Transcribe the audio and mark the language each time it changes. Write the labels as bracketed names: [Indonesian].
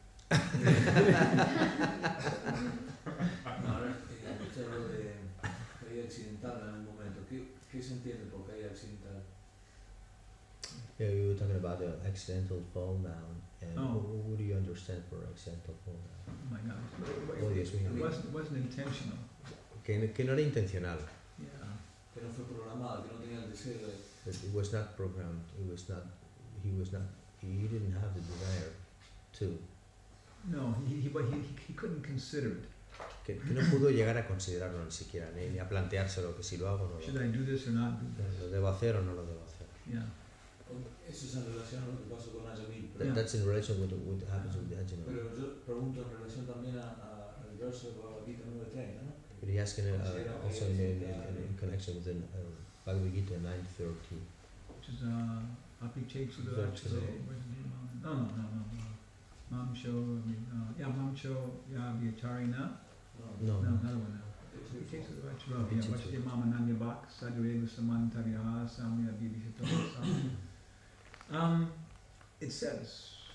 [Spanish] Ahora, el hecho de caí accidental en un momento, ¿qué se entiende por caí accidental? [English] Yeah, you were talking about the accidental fall down. What do you understand for accidental fall down? Oh my God. It wasn't intentional. [Spanish] Que no era intencional. [English] Yeah. [Spanish] Que no fue programado, que no tenía el deseo de... [English] It was not programmed. He didn't have the desire to. No, he couldn't consider it. [Spanish] Que no pudo llegar a considerarlo ni siquiera, ni a planteárselo, que si lo hago o no. [English] Should I do this or not do this? [Spanish] ¿Lo debo hacer o no lo debo hacer? [English] Yeah. [Spanish] Eso es en relación a lo que pasó con Ajamil. [English] That's in relation with what happens with the Ajamil. [Spanish] Pero yo pregunto en relación también al verso de Bhagavad Gita 9.30, ¿no? [English] But he asked also in connection with the Bhagavad Gita 9.30. Which is it says.